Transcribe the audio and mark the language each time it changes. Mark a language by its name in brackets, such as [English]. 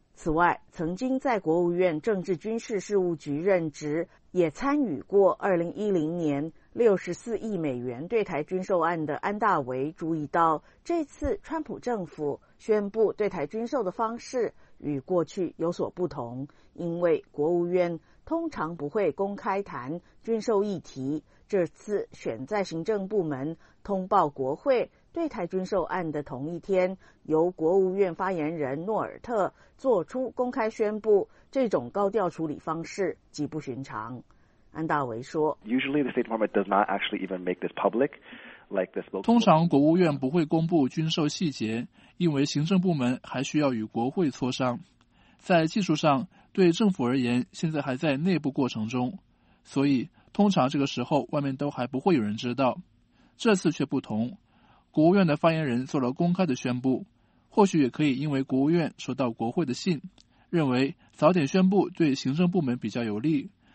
[Chinese] 此外，曾经在国务院政治军事事务局任职，也参与过2010年64亿美元对台军售案的安大维注意到，这次川普政府宣布对台军售的方式与过去有所不同，因为国务院通常不会公开谈军售议题，这次选在行政部门通报国会对台军售案的同一天，由国务院发言人诺尔特做出公开宣布，这种高调处理方式极不寻常。安大维说 [English] ：“Usually the State Department does not actually even make this public, like this. [Chinese] 通常国务院不会公布军售细节，因为行政部门还需要与国会磋商。在技术上，对政府而言，现在还在内部过程中，所以通常这个时候外面都还不会有人知道。这次却不同，国务院的发言人做了公开的宣布，或许也可以因为国务院收到国会的信，认为早点宣布对行政部门比较有利。”